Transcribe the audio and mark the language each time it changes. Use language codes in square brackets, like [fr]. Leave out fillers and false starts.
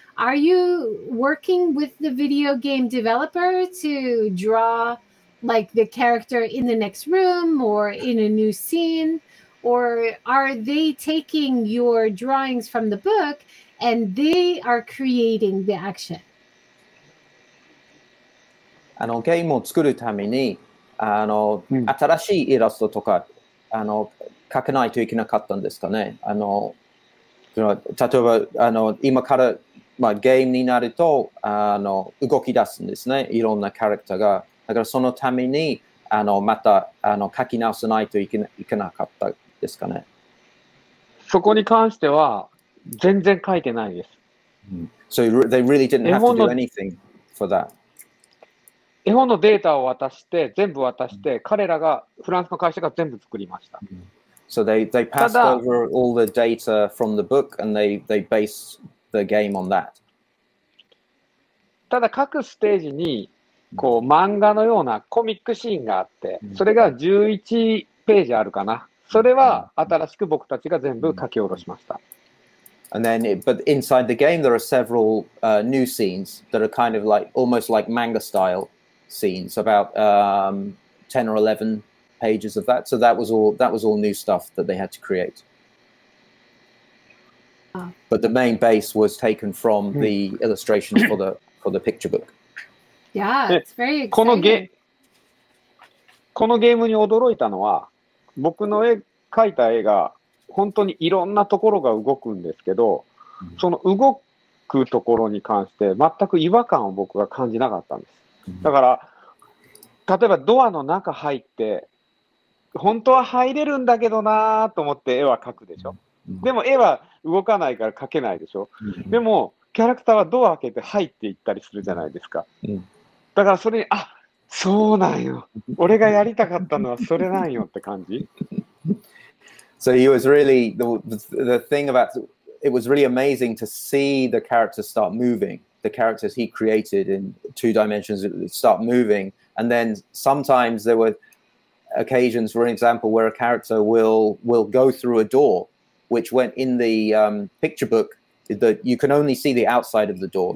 [en] Are you working with the video game developer to draw like the character in the next room or in a new scene? Or are they taking your drawings from the book and they are creating the action? [ja] あのゲームを作るためにあの、うん、新しいイラストとかあの描かないといけなかったんですかね。あの例えばあの今から、まあ、ゲームになるとあの動き出すんですね、いろんなキャラクターが。だからそのためにあのまたあの描き直さないといけなかったですかね。そこに関しては全然描いてないです、う [en] ん、So they really didn't have to do anything for that? [ja] 絵本のデータを渡して、全部渡して、彼らが、フランスの会社が全部作りました。 [en] So they passed over all the data from the book and they based the game on that. [ja] ただ各ステージに、こう漫画のようなコミックシーンがあって、それが11ページあるかな。それは新しく僕たちが全部書き下ろしました。 [en] And then, but inside the game, there are several new scenes that are kind of like, almost like manga style. Scenes about 10 or 11 pages of that. So that was all new stuff that they had to create. But the main base was taken from the illustrations for the picture book. Yeah, it's very exciting. [ja] このゲームに驚いたのは、僕の絵描いた絵が本当にいろんなところが動くんですけど、その動くところに関して全く違和感を僕は感じなかったんです。だから例えばドアの中入って本当は入れるんだけどなと思って絵は描くでしょ。でも絵は動かないから描けないでしょ。でもキャラクターはドア開けて入っていったりするじゃないですか。だからそれに、あ、そうなんよ、俺がやりたかったのはそれなんよって感じ。 [en] So he was really the thing about it was really amazing to see the characters start moving, the characters he created in two dimensions start moving. And then sometimes there were occasions, for example, where a character will go through a door, which went in the picture book, that you can only see the outside of the door.